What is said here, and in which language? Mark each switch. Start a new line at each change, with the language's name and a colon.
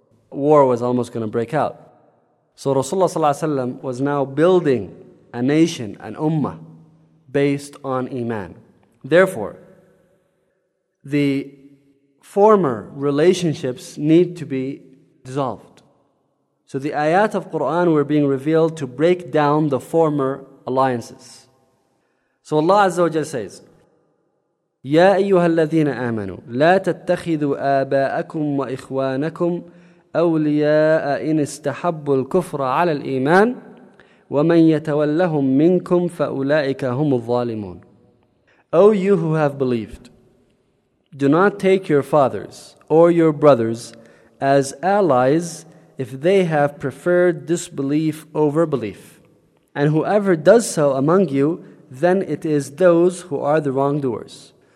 English: War was almost going to break out. So Rasulullah ﷺ was now building a nation, an ummah, based on iman. Therefore, the former relationships need to be dissolved. So the ayat of Qur'an were being revealed to break down the former alliances.
Arabic: So Allah Azza wa Jalla says, يَا أَيُّهَا الَّذِينَ آمَنُوا لَا تَتَّخِذُوا آبَاءَكُمْ وَإِخْوَانَكُمْ أَوْلِيَاءَ إِنِ اسْتَحَبُّوا الْكُفْرَ عَلَى الْإِيمَانِ وَمَنْ يَتَوَلَّهُمْ مِنْكُمْ فَأُولَئِكَ هُمُ الظَّالِمُونَ.
English: O you who have believed, do not take your fathers or your brothers as allies if they have preferred disbelief over belief. And whoever does so among you, then it is those who are the wrongdoers.